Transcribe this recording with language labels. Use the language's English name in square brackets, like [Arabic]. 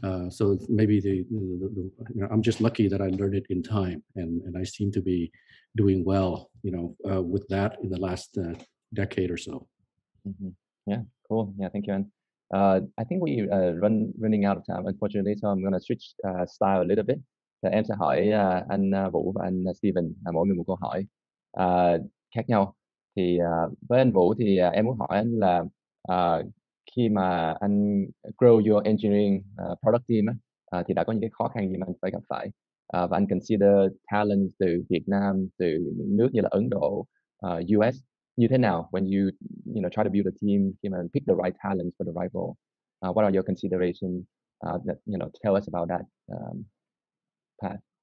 [English] So maybe the you know, I'm just lucky that I learned it in time and I seem to be doing well, you know, with that in the last decade or so. Mm-hmm. Yeah, cool. Yeah. Thank you, Anne. I think we running out of time, unfortunately. So I'm going to switch style a little bit. The answer [Vietnamese] hỏi anh Vũ và anh Steven mỗi người một câu hỏi khác nhau. Thì với anh Vũ thì em muốn hỏi anh là khi mà anh [English] grow your engineering product team [Vietnamese] thì đã có những cái khó khăn gì mà anh phải gặp phải và anh consider talent từ Việt Nam, từ những nước như là Ấn Độ, US. Như thế nào [English] when you know try to build a team, you know, pick the right talents for the right role? What are your considerations that, you know, tell us about that path?